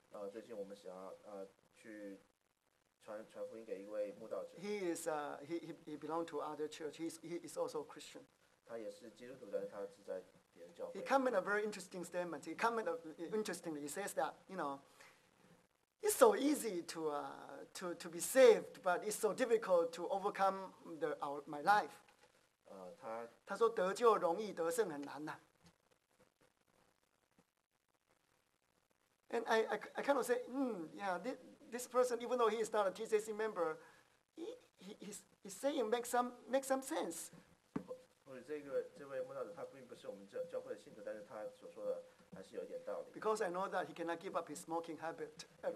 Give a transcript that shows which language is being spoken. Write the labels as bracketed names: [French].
[Chinese] 最近我们想要去传福音给一位慕道者。 [English] He belongs to other church. He is also a Christian. [Chinese] 他也是基督徒的人，他是在别的教会。 [English] He come in a very interesting statement. He come in a, interestingly. He says that, you know, it's so easy to be saved, but it's so difficult to overcome my life. [Chinese] 他说得救容易，得胜很难呐。 [English] And I kind of say, this person, even though he is not a TCC member, he's saying make some sense. [Chinese] 或者这位慕道者，他并不是我们教会的信徒，但是他所说的还是有点道理。 [English] Because I know that he cannot give up his smoking habit.